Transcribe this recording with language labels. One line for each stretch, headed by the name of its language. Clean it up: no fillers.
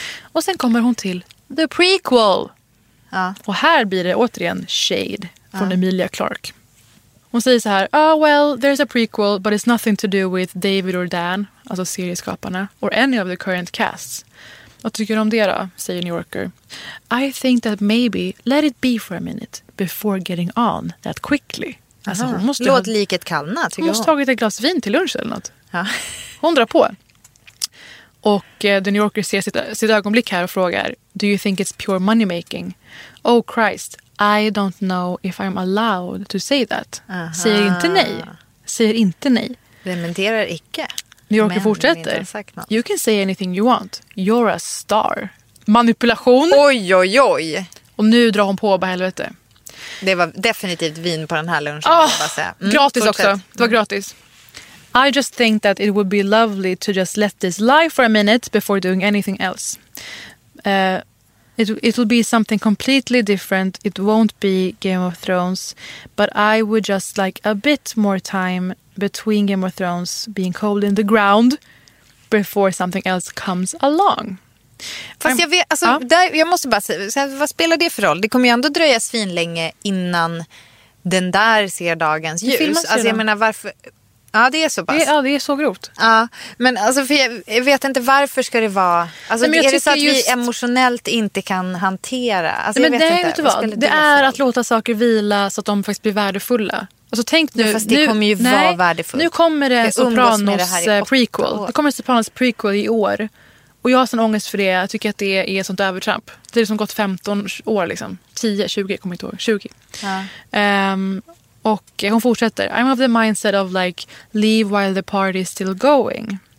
Swedish: Och sen kommer hon till
English: the prequel.
Swedish: Ja. Och här blir det återigen shade från Emilia Clarke. Hon säger så här:
English: oh well, there's a prequel, but it's nothing to do with David or Dan,
Swedish: alltså serieskaparna,
English: or any of the current casts.
Swedish: Vad tycker du om det då, säger New Yorker.
English: I think that maybe let it be for a minute before getting on that quickly.
Swedish: Alltså, hon måste låt liket kallna, tycker hon. Hon måste tagit ett glas vin till lunch eller något. Ja. Hon drar på. Och The New Yorker ser sitt ögonblick här och frågar:
English: do you think it's pure money making? Oh Christ, I don't know if I'm allowed to say that. Aha.
Swedish: Säger inte nej. Säger inte nej. Dementerar icke. New Yorker men fortsätter.
English: You can say anything you want. You're a star. Manipulation.
Swedish: Oj, oj, oj. Och nu drar hon på, bara helvete. Det var definitivt vin på den här lunchen. Oh, gratis också. Det var gratis.
English: I just think that it would be lovely to just let this lie for a minute before doing anything else. It will be something completely different. It won't be Game of Thrones. But I would just like a bit more time between Game of Thrones being cold in the ground before something else comes along.
Swedish: Fast jag vet, alltså, där, jag måste bara säga, vad spelar det för roll? Det kommer ju ändå dröja svinlänge innan den där ser dagens ljus. Alltså jag menar, varför... Ja, det är så pass. Ja, det är så grovt. Ja, men alltså, för jag vet inte varför ska det vara... Alltså, nej, är det så att just... vi emotionellt inte kan hantera? Alltså, nej, men jag vet inte. Vet du vad? Det är att låta saker vila så att de faktiskt blir värdefulla. Alltså, tänk nu... Men fast det nu, kommer ju nej, vara värdefullt. Nu kommer det Sopranos det prequel. Det kommer Sopranos prequel i år. Och jag har sån ångest för det. Jag tycker att det är ett sånt övertramp. Det är som gått 15 år, liksom. 10, 20, kommer inte ihåg. 20. Ja. Och hon fortsätter.
English: I'm of the mindset of like leave while the party is still going.